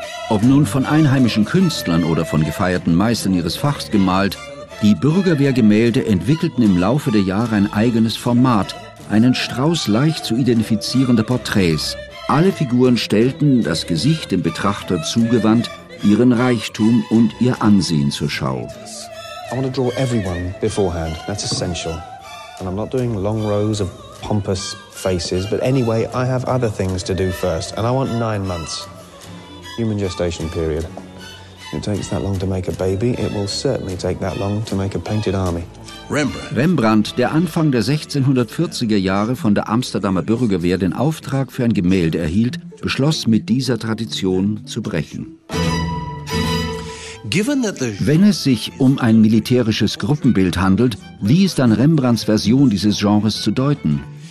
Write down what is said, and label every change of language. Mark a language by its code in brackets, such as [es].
[de] Ob nun von einheimischen Künstlern oder von gefeierten Meistern ihres Fachs gemalt, die Bürgerwehrgemälde entwickelten im Laufe der Jahre ein eigenes Format, einen Strauß leicht zu identifizierender Porträts. Alle Figuren stellten, das Gesicht dem Betrachter zugewandt, ihren Reichtum und ihr Ansehen zur Schau. [en] I want to draw everyone beforehand, that's essential. And I'm not doing long rows of pompous faces, but anyway, I have other things to do first. And I want 9 months. Human gestation period. It takes that long to make a baby, it will certainly take that long to make a painted army. [de] Rembrandt, der Anfang der 1640er Jahre von der Amsterdamer Bürgerwehr den Auftrag für ein Gemälde erhielt, beschloss, mit dieser Tradition zu brechen. Wenn es sich um ein militärisches Gruppenbild handelt, wie ist dann Rembrandts Version dieses Genres zu deuten?